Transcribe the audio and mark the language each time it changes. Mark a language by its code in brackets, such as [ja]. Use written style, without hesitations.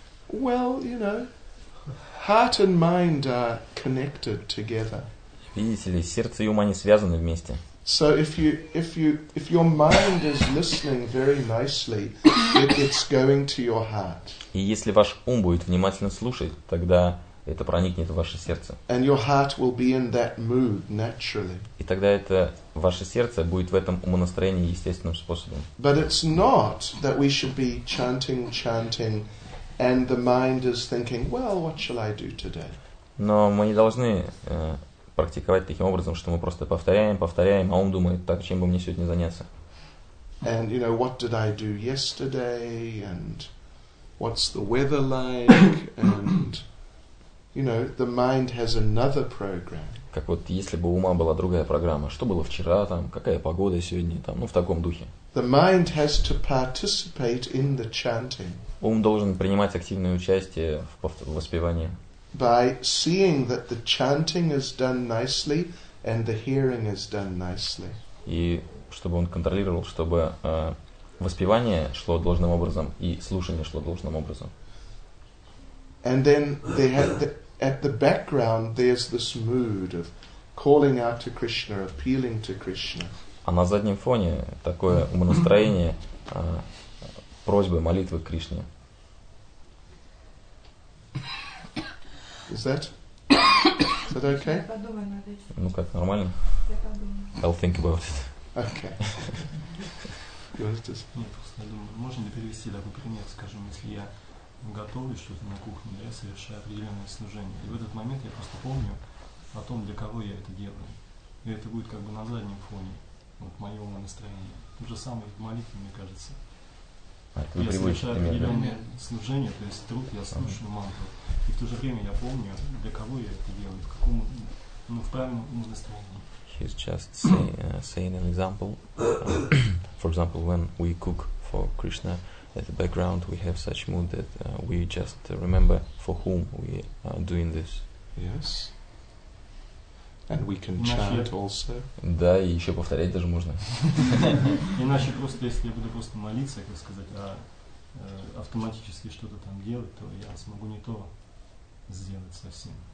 [en] Well, you know, heart and mind are connected together. [ru] Видите ли, сердце и ум они связаны вместе. [en] So if your mind is listening very nicely, it's going to your heart. [ru] И если ваш ум будет внимательно слушать, тогда это проникнет в ваше сердце. [en] And your heart will be in that mood naturally. [ru] И тогда это ваше сердце будет в этом умонастроении естественным способом. [en] But it's not that we should be chanting. And the mind is thinking, well, what shall I do today? [ru] Но мы не должны практиковать таким образом, что мы просто повторяем, а ум думает, так чем бы мне сегодня заняться? [en] And you know, what did I do yesterday? And what's the weather like? And you know, the mind has another program. [ru] Как вот если бы у ума была другая программа, что было вчера там, какая погода сегодня там, ну в таком духе. [en] The mind has to participate in the chanting. [ru] Ум должен принимать активное участие в воспевании. [en] By seeing that the chanting is done nicely and the hearing is done nicely. [ru] И чтобы он контролировал, чтобы воспевание шло должным образом и слушание шло должным образом. [en] And then they have at the background there's this mood of calling out to Krishna, appealing to Krishna. [ru] А на заднем фоне такое умонастроение. Просьбы, молитвы к Кришне. [en] Is that okay? [ru] Я подумаю над этим. Ну как, нормально? Я подумаю. [en] I'll think about it. Okay. [ru] Нет, просто я думаю, можно ли перевести такой пример, скажем, если я готовлю что-то на кухне, я совершаю определенное служение, и в этот момент я просто помню о том, для кого я это делаю. И это будет как бы на заднем фоне вот моего настроения. То же самое в молитве, мне кажется. Я совершаю определенное служение, то есть труд, я слушаю мантру. И в то же время я помню, для кого я это делаю, в правильном настроении. [en] He's just saying an example. For example, when we cook for Krishna, at the background we have such mood that we just remember for whom we are doing this. Yes. And we can chant also. [ru] Да, и еще повторять даже можно. Иначе просто, если я буду просто молиться, как сказать, а автоматически что-то там делать, то я смогу не то сделать совсем.